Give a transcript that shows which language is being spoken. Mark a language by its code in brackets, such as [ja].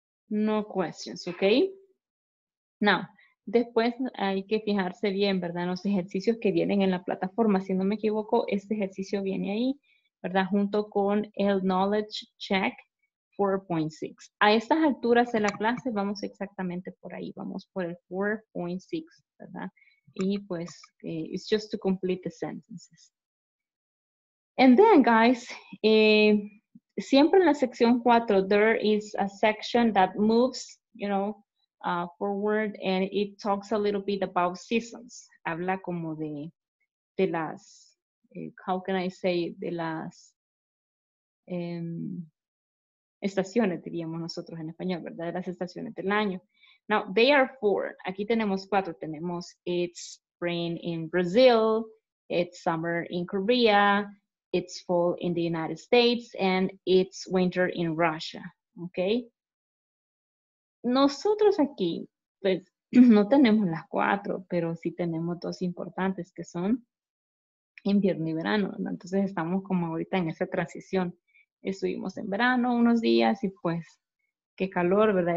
[en] No questions, [es] ¿ok? Now, después hay que fijarse bien, ¿verdad? En los ejercicios que vienen en la plataforma. Si no me equivoco, este ejercicio viene ahí, ¿verdad? Junto con el Knowledge Check. 4.6. A estas alturas de la clase vamos exactamente por ahí. Vamos por el 4.6, ¿verdad? Y pues, [en] it's just to complete the sentences. And then, guys, [es] siempre en la sección 4, [en] there is a section that moves, you know, forward and it talks a little bit about seasons. [es] Habla como de las, [en] how can I say, [es] de las, estaciones, diríamos nosotros en español, ¿verdad? De las estaciones del año. [en] Now, they are four. [es] Aquí tenemos cuatro. [en] Tenemos it's spring in Brazil, it's summer in Korea, it's fall in the United States, and it's winter in Russia, ¿ok? [es] Nosotros aquí, pues, no tenemos las cuatro, pero sí tenemos dos importantes que son invierno y verano, ¿no? Entonces, estamos como ahorita en esa transición. Estuvimos en verano unos días y pues, qué calor, ¿verdad?